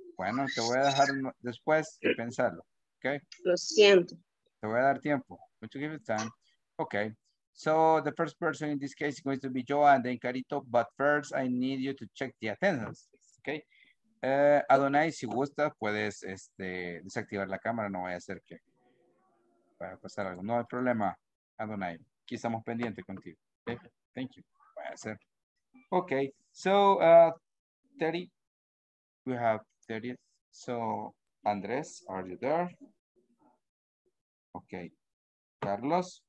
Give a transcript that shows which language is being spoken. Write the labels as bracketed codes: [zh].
[es] Bueno, te voy a dejar después de pensarlo. Okay. Lo siento. Te voy a dar tiempo. [en] I'm going to give you time. Okay. So the first person in this case is going to be Joa and then Carito. But first, I need you to check the attendance list. Okay. [es] Adonai, si gusta, puedes desactivar la cámara. No vaya a ser que vaya a pasar algo. No hay problema, Adonai. Aquí estamos pendientes contigo. Okay. [en] Thank you. [es] Vaya a ser. Ok. [en] So, Teddy. We have 30. So, Andrés, are you there? Ok. Carlos.